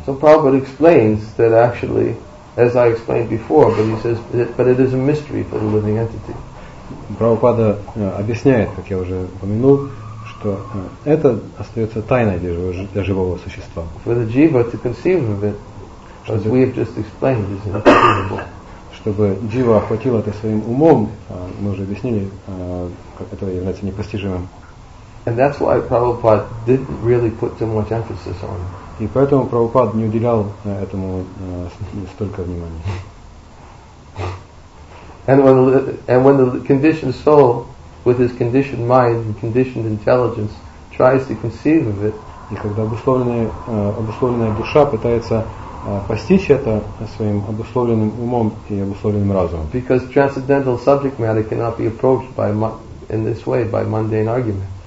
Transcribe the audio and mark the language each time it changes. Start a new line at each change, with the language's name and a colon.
English: So Prabhupada explains that actually, as I explained before, but he says, but it is a mystery for the living entity.
Russian: Прабхупада объясняет, как я уже упомянул, что это остается тайной для живого существа.
English: For the jiva to conceive of it, as we have just explained, is inconceivable.
Russian: Чтобы джива охватил это своим умом, мы уже объяснили, как это является непостижимым.
English: And that's why Prabhupada didn't really put too much emphasis on it.
Russian: И поэтому Прабхупада не уделял этому столько внимания.
English: And when the conditioned soul with his conditioned mind and conditioned intelligence tries to conceive of it,
Russian: и когда обусловленная душа пытается постичь это своим обусловленным умом и обусловленным разумом,
English: because transcendental subject matter cannot be approached by in this way by mundane argument,